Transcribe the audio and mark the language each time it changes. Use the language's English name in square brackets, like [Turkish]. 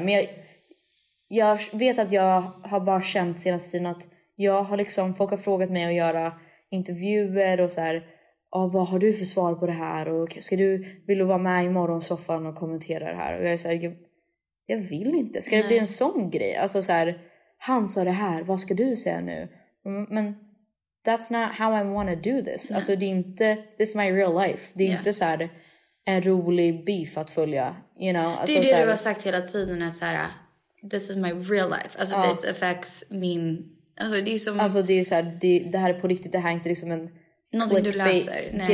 [Swedish] Men jag vet att jag har bara känt senaste tiden att jag har liksom, folk har frågat mig att göra intervjuer och så här, vad har du för svar på det här? Och ska du, vill du vara med i morgonsoffan och kommentera det här? Och jag är så här, jag vill inte. Ska det bli en sån grej? Alltså så här, han sa det här, vad ska du säga nu? [English] Men that's not how I want to do this. [Swedish] Nej. Alltså det är inte, [English] this is my real life. [Swedish] Det är inte så här en rolig beef att följa. [English] You know? [Swedish] Alltså, det är det så här, du har sagt hela tiden att så här, [English] this is my real life. [Swedish] Alltså, [English] this affects [Swedish] min... Alltså, det är som... Alltså, det är så här, det här är på riktigt. Det här är inte liksom en... Någonting du läser. Nej.